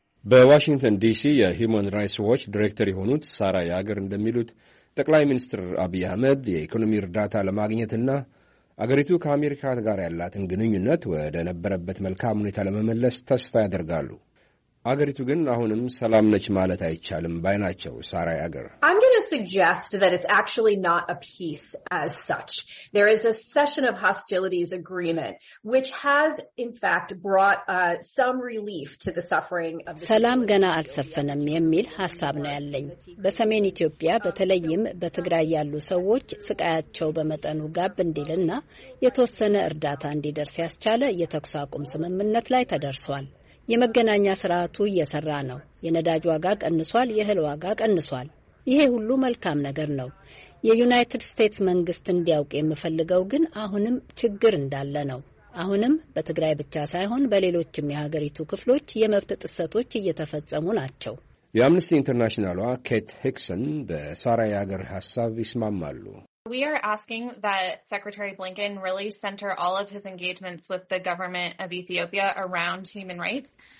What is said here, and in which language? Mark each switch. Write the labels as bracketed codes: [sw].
[am] በዋሽንግተን ዲሲ የሂውማን ራይትስ ዎች ዲሬክተር የሆኑት ሳራ ያገር እንደሚሉት ጠቅላይ ሚኒስትር አብይ አህመድ የኢኮኖሚ እርዳታ ለማግኘትና አገሪቱ ከአሜሪካ ጋር ያላትን ግንኙነት ወደ ነበረበት መልካም ሁኔታ ለመመለስ ተስፋ ያደርጋሉ። አገሪቱ ግን አሁንም ሰላም ነች ማለት አይቻልም ባይ ናቸው ሳራ ያገር። [en] I'm going to suggest that it's actually not a peace as such. There is a cessation of hostilities agreement which has in fact brought some relief to the suffering of the [am] ሰላም ገና አልሰፈነም የሚል ሐሳብ ነው ያለኝ። በሰሜን ኢትዮጵያ በተለይም በትግራይ ያሉ ሰዎች ስቃያቸው በመጠኑ ጋብ እንዲልና የተወሰነ እርዳታ እንዲደርስ ያስቻለ የተኩስ አቁም ስምምነት ላይ ተደርሷል። የመገናኛ ስርዓቱ እየሰራ ነው። የነዳጅ ዋጋ ቀንሷል፣ የእህል ዋጋ ቀንሷል። ይሄ ሁሉ መልካም ነገር ነው። የዩናይትድ ስቴትስ መንግስት እንዲያውቅ የምፈልገው ግን አሁንም ችግር እንዳለ ነው። አሁንም በትግራይ ብቻ ሳይሆን በሌሎችም የሀገሪቱ ክፍሎች የመብት ጥሰቶች እየተፈጸሙ ናቸው። የአምነስቲ ኢንተርናሽናሏ ኬት ሂክሰን በሳራ ያገር ሐሳብ ይስማማሉ። [en] We are asking that Secretary Blinken really center all of his engagements with the government of Ethiopia around human rights.